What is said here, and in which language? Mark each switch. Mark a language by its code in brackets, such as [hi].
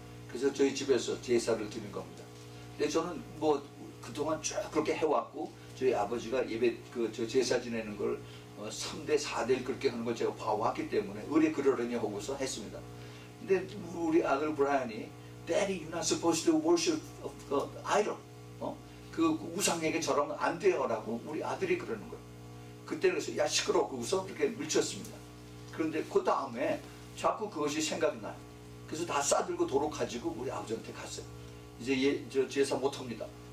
[ko] 그래서 저희 집에서 제사를 드린 겁니다. 근데 저는 뭐 그동안 쭉 그렇게 해왔고 저희 아버지가 예배 그 저 제사 지내는 걸 3대 4대를 그렇게 하는 걸 제가 봐왔기 때문에 의뢰 그러려니 하고서 했습니다. 근데 우리 아들 브라이언이 [en] Daddy, you're not supposed to worship idol. [ko] 그 우상에게 저러면 안 돼요 라고 우리 아들이 그러는 거예요. 그때는 그래서 야 시끄럽고 웃어 이렇게 물쳤습니다. 그런데 그 다음에 자꾸 그것이 생각이 나요. 그래서 다 싸들고 도로 가지고 우리 아버지한테 갔어요. 이제 제사 못합니다.